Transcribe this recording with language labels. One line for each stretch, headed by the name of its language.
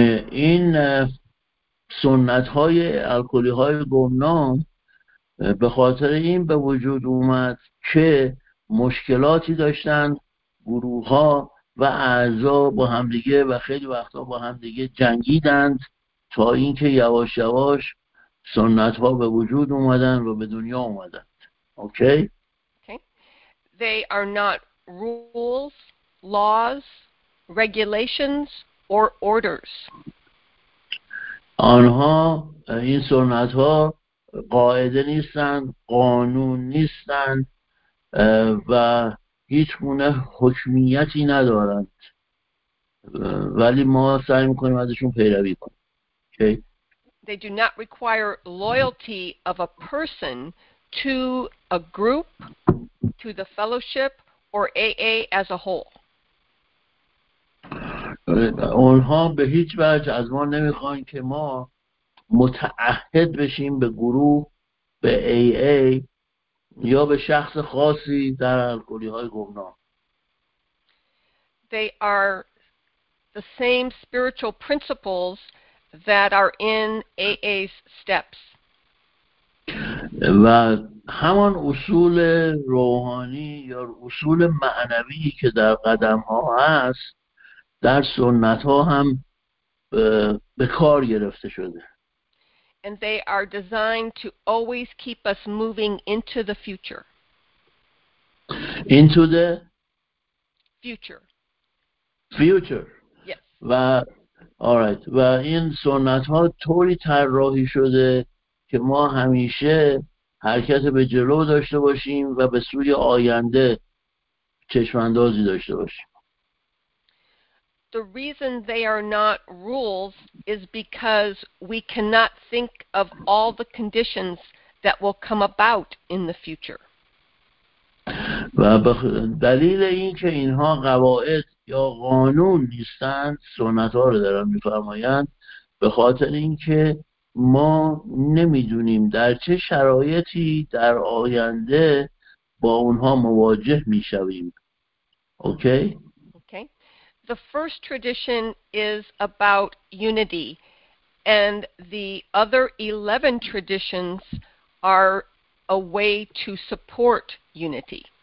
Persian: این سنت های الکلی های گمنام به خاطر این به وجود اومد که مشکلاتی داشتن گروه ها و اعضا با همدیگه و خیلی وقتا با همدیگه جنگیدند تا اینکه یواش یواش سنت ها به وجود اومدن و به دنیا اومدند.
English: Okay? They are not rules, laws, regulations, or orders.
Persian: آنها این سنت‌ها قاعده نیستند، قانون نیستند و هیچ گونه حکمیتی ندارند. ولی ما سعی می‌کنیم ازشون پیروی کنیم.
English: Okay. They do not require loyalty of a person to a group, to the fellowship, or AA as a whole.
Persian: اونها به هیچ وجه از ما نمیخوان که ما متعهد بشیم به گروه، به AA یا به شخص خاصی در الکلی های گمنام.
English: They are the same spiritual principles that are in AA's steps.
Persian: و همان اصول روحانی یا اصول معنوی که در قدم ها هست در سنت ها هم به کار گرفته شده.
English: And they are designed to always keep us moving into the future. Into the future. Future. Yes. و all right.
Persian: و این سنت ها طوری طراحی شده که ما همیشه حرکت به جلو داشته باشیم و به سوی آینده چشم‌اندازی داشته باشیم.
English: the reason they are not rules is because we cannot think of all the conditions that will come about in the future.
Persian: و به دلیل اینکه اینها قواعد یا قانون نیستند، سنت ها رو دارن میفرمایند، به خاطر اینکه ما نمیدونیم در چه شرایطی در آینده با اونها مواجه میشویم.
English: Okay? Okay. The first tradition is about unity, and the other 11 traditions are a way to support unity.